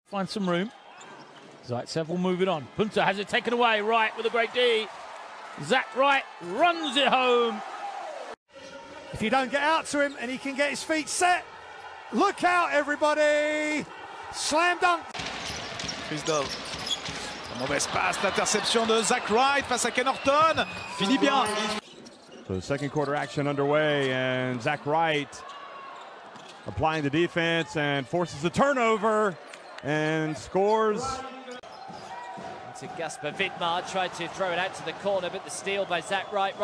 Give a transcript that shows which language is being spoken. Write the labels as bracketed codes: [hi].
[en] Find some room. Zaitsev will move it on. Punta has it taken away. Wright with a great D. Zack Wright runs it home. If you don't get out to him and he can get his feet set, look out, everybody. Slam dunk. He's done. [fr] Mauvaise passe, l'interception de Zack Wright face à Ken Horton. Fini bien. [en] So the second quarter action underway, and Zack Wright applying the defense and forces the turnover and scores. To Gaspar Widmar, tried to throw it out to the corner, but the steal by Zack Wright.